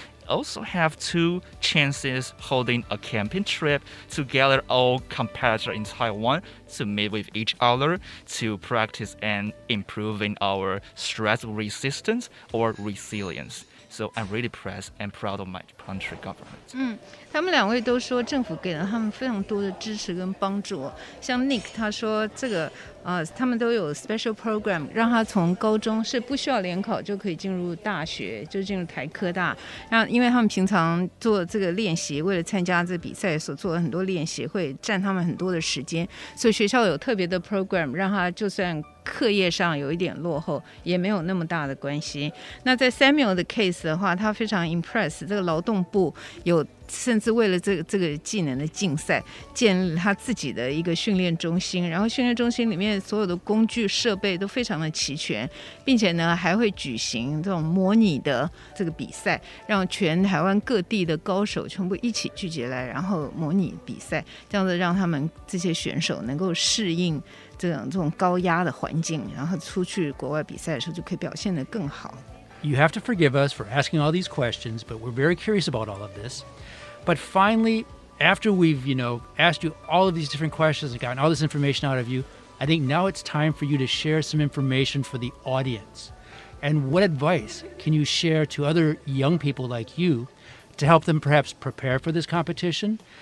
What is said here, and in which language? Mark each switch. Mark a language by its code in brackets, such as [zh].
[en] Also have two chances holding a camping trip to gather all competitors in Taiwan to meet with each other to practice and improving our stress resistance or resilience. So I'm really proud and proud of my country government. [zh] 他们两位都说政府给了他们非常多的支持跟帮助。像 Nick 他说这个他们都有 special program 让他从高中是不需要联考就可以进入大学，就进入台科大。然后因为他们平常做这个练习，为了参加这个比赛所做的很多练习会占他们很多的时间，所以学校有特别的 program 让他就算课业上有一点落后也没有那么大的关系。那在 Samuel 的 case 的话，他非常 impress 这个劳动部有甚至为了这个技能的竞赛建立他自己的一个训练中心，然后训练中心里面所有的工具设备都非常的齐全，并且呢还会举行这种模拟的这个比赛，让全台湾各地的高手全部一起聚集来然后模拟比赛，这样子让他们这些选手能够适应这种高压的环境，然后出去国外比赛的时候就可以表现得更好。 [en] You have to forgive us for asking all these questions, but we're very curious about all of this. But finally, after we've, you know, asked you all of these different questions and gotten all this information out of you, I think now it's time for you to share some information for the audience. And what advice can you share to other young people like you to help them perhaps prepare for this competition?